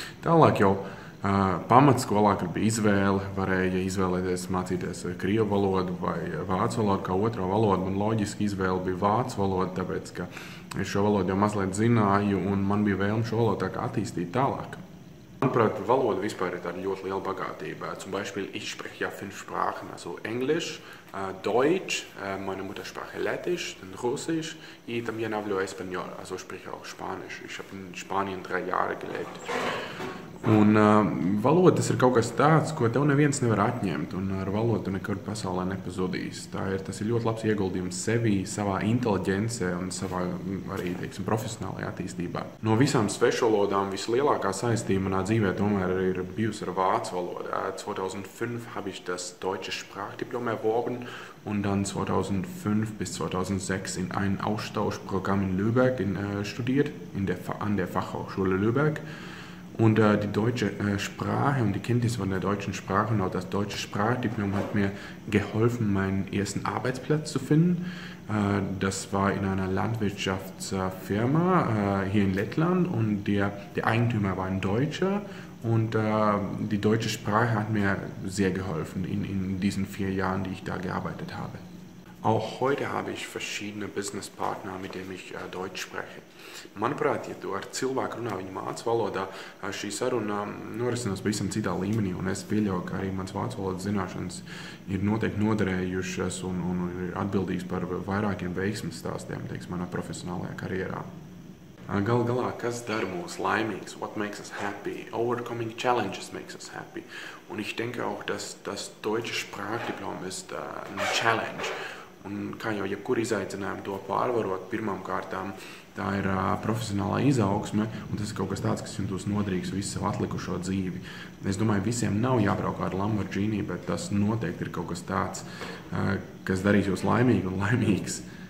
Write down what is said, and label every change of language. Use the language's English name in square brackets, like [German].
[Latvian] Tālāk jau pamatskolā, kad bija izvēle, varēja izvēlēties mācīties krievu valodu vai Vācu valodu kā otro valodu, man loģiski izvēle bija Vācu valoda, tāpēc, ka es šo valodu jau mazliet zināju, un man bija vēlme šo valodu tā kā attīstīt tālāk. Manuprāt, valoda vispār ir tāda ļoti liela bagātība. [German] Zum Beispiel, ich spreche ja fünf Sprachen, also Englisch, Deutsch, meine Mutter spreche Lettisch, dann Russisch, und [Spanish] también hablo Español, [German] also spreche auch Spanisch. Ich habe in Spanien 3 Jahre gelebt. [Latvian] Un valodas ir kaut kas tāds, ko tev neviens nevar atņemt, un ar valodu nekur pasaulē nepazudīs. Tas ir ļoti labs ieguldījums sevī, savā inteliģencē un savā arī, teiksim, profesionālajā attīstībā. No visām svešu valodām vislielākā saistība manā dzīvē tomēr ir bijusi ar vācu valodu. [German] 2005 habe ich das deutsche Sprachdiplom erworben und dann 2005 bis 2006 in ein Austauschprogramm in Lübeck studiert, an der Fachhochschule Lübeck. Und die deutsche Sprache und die Kenntnis von der deutschen Sprache und auch das deutsche Sprachdiplom hat mir geholfen, meinen ersten Arbeitsplatz zu finden. Das war in einer Landwirtschaftsfirma hier in Lettland und der Eigentümer war ein Deutscher. Und die deutsche Sprache hat mir sehr geholfen in diesen 4 Jahren, die ich da gearbeitet habe. Auch heute habe ich verschiedene Businesspartner, mit denen ich Deutsch spreche. [Latvian] Manuprāt, ja tu ar cilvēku runā viņa mācu valodā, šī saruna norisinās visam citā līmenī, un es pieļauju, ka arī mans vācu valodas zināšanas ir noteikti noderējušas un ir atbildīgs par vairākiem veiksmes stāstiem, teiks, manā profesionālajā karjerā. Galā, kas dar mūs laimīgs? [English] What makes us happy? Overcoming challenges makes us happy. [German] Un ich denke auch, dass das deutsche Sprachdiplom ist ein challenge. [Latvian] Un kā jau jebkur izaicinājumu to pārvarot, pirmām kārtām, tā ir profesionālā izaugsme, un tas ir kaut kas tāds, kas jums būs noderīgs visu savu atlikušo dzīvi. Es domāju, visiem nav jābrauk ar Lamborghini, bet tas noteikti ir kaut kas tāds, kas darīs jūs laimīgi un laimīgs.